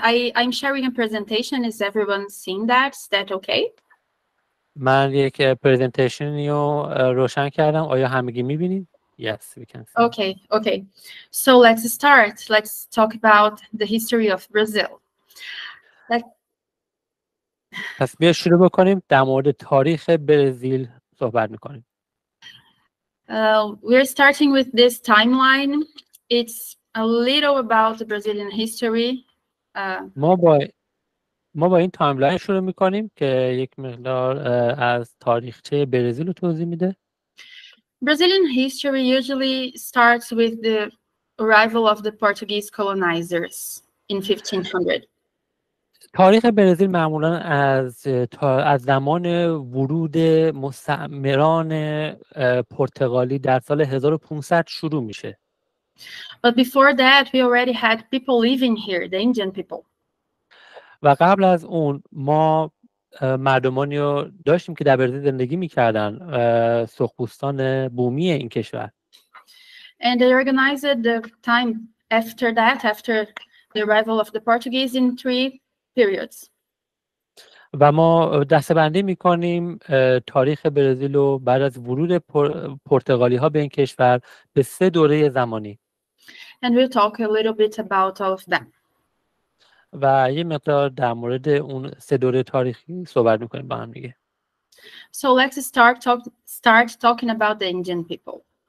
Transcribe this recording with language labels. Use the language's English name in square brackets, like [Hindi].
[English] I'm sharing a presentation. Is everyone seeing that? Is that okay? [Persian] من یک پریزنتیشن رو روشن کردم. آیا همگی میبینید؟ [English] Yes, we can see. Okay. So let's start. Let's talk about the history of Brazil. [Persian] پس بیا شروع بکنیم. در مورد تاریخ برزیل صحبت میکنیم. [English] We're starting with this timeline. It's a little about the Brazilian history. [Persian] ما با این تایملاین شروع میکنیم که یک مقدار از تاریخچه برزیل رو توضیح میده. [English] Brazilian history usually starts with the arrival of the Portuguese colonizers in 1500. [Persian] تاریخ برزیل معمولا از زمان ورود مستعمران پرتغالی در سال 1500 شروع میشه. [English] But before that we already had people living here, the Indian people. [Persian] و قبل از اون ما مردمانی رو داشتیم که در برزیل زندگی میکردن، سخپوستان بومی این کشور. [English] And they organized the time after that, after the arrival of the Portuguese in three periods. [Persian] و ما دسته‌بندی میکنیم تاریخ برزیل رو بعد از ورود پرتغالی ها به این کشور به سه دوره زمانی. [English] And we'll talk a little bit about all of them. [Persian] و یه مقدار در مورد اون سه دوره تاریخی صحبت میکنیم با هم دیگه. [English] So let's start talking about the Indian people.